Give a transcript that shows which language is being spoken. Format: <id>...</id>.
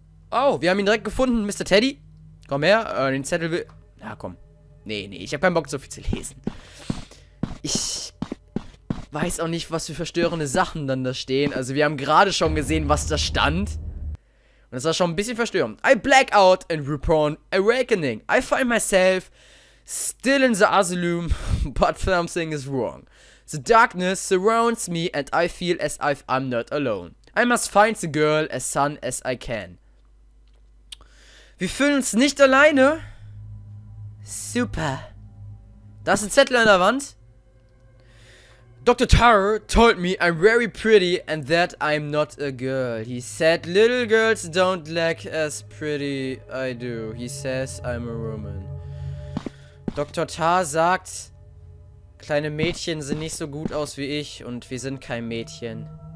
<de>Oh, wir haben ihn direkt gefunden, Mr. Teddy. Komm her, den Zettel will... Na komm. Nee, ich habe keinen Bock, so viel zu lesen. Ich weiß auch nicht, was für verstörende Sachen dann da stehen. Also wir haben gerade schon gesehen, was da stand. Und das war schon ein bisschen verstörend.</de> <en>I black out and reborn awakening. I find myself still in the asylum, but something is wrong. The darkness surrounds me and I feel as if I'm not alone. I must find the girl as soon as I can.</en> <de>Wir fühlen uns nicht alleine. Super. Da ist ein Zettel an der Wand. Dr.</de> <en>Tower told me I'm very pretty and that I'm not a girl. He said little girls don't look as pretty I do. He says I'm a woman. Dr.</en> <de>Tar sagt, kleine Mädchen sehen nicht so gut aus wie ich und wir sind kein Mädchen.</de>